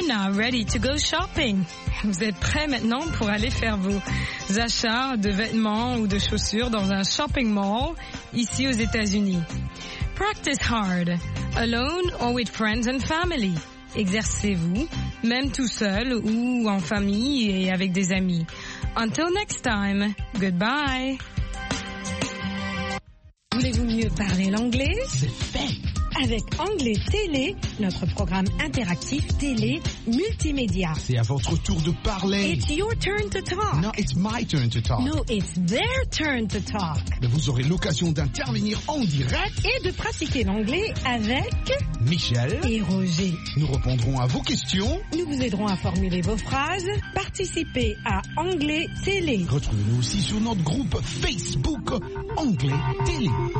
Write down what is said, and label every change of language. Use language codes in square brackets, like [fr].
[en] Ready to go shopping. [fr] Vous êtes prêt maintenant pour aller faire vos achats de vêtements ou de chaussures dans un shopping mall ici aux États-Unis. [en] practice hard, alone or with friends and family. [fr] Exercez-vous, même tout seul ou en famille et avec des amis. [en] Until next time, goodbye. [fr] Voulez-vous mieux parler l'anglais? C'est fait. Avec Anglais Télé, notre programme interactif télé multimédia. C'est à votre tour de parler. [en] It's your turn to talk. No, it's my turn to talk. No, it's their turn to talk. [fr] Mais vous aurez l'occasion d'intervenir en direct et de pratiquer l'anglais avec Michel et Roger. Nous répondrons à vos questions. Nous vous aiderons à formuler vos phrases. Participez à Anglais Télé. Retrouvez-nous aussi sur notre groupe Facebook Anglais Télé.